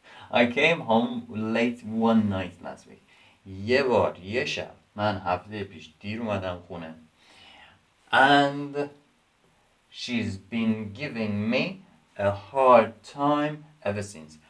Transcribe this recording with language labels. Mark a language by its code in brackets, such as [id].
[en] I came home late one night last week. [fa] یه بار، یه شب، من هفته پیش دیر اومدم خونه. [en] And she's been giving me a hard time ever since.